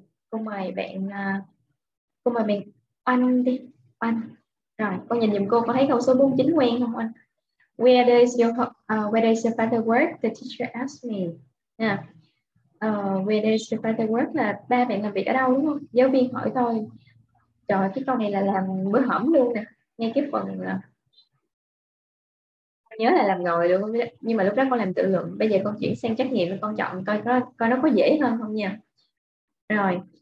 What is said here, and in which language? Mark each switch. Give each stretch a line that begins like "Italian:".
Vietnamese: Cô mời bạn anh đi. Anh. Rồi, con nhìn giùm cô có thấy câu số 49 quen không anh?
English: Where does your where does your father work? The teacher asked me. Where does your father work?
Vietnamese: Là ba bạn làm việc ở đâu đúng không? Giáo viên hỏi tôi. Trời, cái câu này là làm bữa hổm luôn nè. Ngay cái phần nhớ là làm ngồi được, nhưng mà lúc đó con làm tự luận. Bây giờ con chuyển sang trắc nghiệm, con chọn coi có coi nó có dễ hơn không nha. Rồi.